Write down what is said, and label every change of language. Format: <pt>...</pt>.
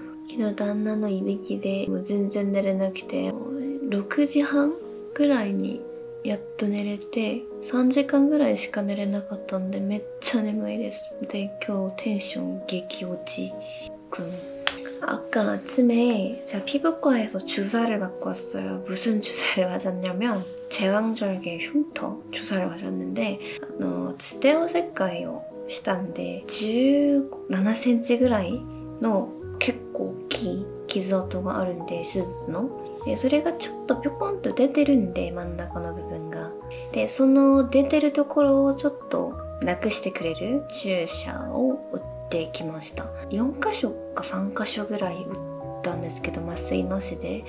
<ja>昨日 旦那のいびきで全然寝れなくて、6時半ぐらいにやっと寝れて、3時間ぐらいしか寝れなかったんで、めっちゃ眠いです。で、今日テンション激落ち。君。</ja> <ko>아까 아침에 제가 피부과에서 주사를 맞고 왔어요. 무슨 주사를 맞았냐면 제왕절개 흉터 주사를 맞았는데</ko> <ja>ステオ切開をしたんで、17cm ぐらいの結構大きい傷跡があるんで、手術の。で、それがちょっとピョコンと出てるんで、真ん中の部分が。で、その出てるところをちょっとなくしてくれる注射を打ってきました。 4箇所か3箇所ぐらい打ったんですけど、麻酔なしで。</ja>